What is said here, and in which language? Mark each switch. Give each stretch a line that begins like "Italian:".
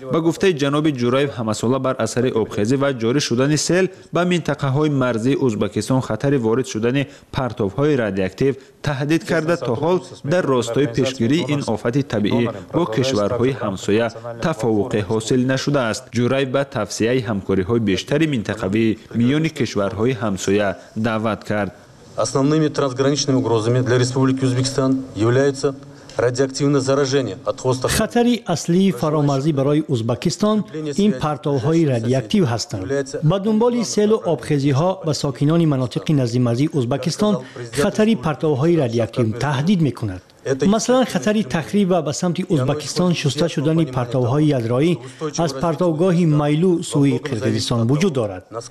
Tajik: با گفته جناب جورایف همسالا بر اثر آبخیزی و جاری شدن سیل به منطقه های مرزی ازبکستان خطر وارد شدن پرتاب های رادیواکتیو تهدید کرده، تا حال در راستای پیشگیری این آفت طبیعی با کشورهای همسایه تفاوق حاصل نشده است. جورایف به توسعه همکاری های بیشتر منطقوی میان کشورهای همسایه دعوت کرد.
Russian: основными трансграничными угрозами для Республики Узбекистан являются радиоактивное заражение от хвоста.
Tajik: Хатари асли фаромарзи барои Узбекистон ин партовҳои радиоактив ҳастанд. Ба дунболи селу обхезиҳо ба сокинони манотиқи назди марзи Узбекистон хатари партовҳои радиоактив таҳдид мекунад. مثلا خطری تخریب و به سمت ازبکستان شسته شدن پرتاب‌های یدرایی از پرتابگاه مایلو سوی قرقیزستان وجود دارد.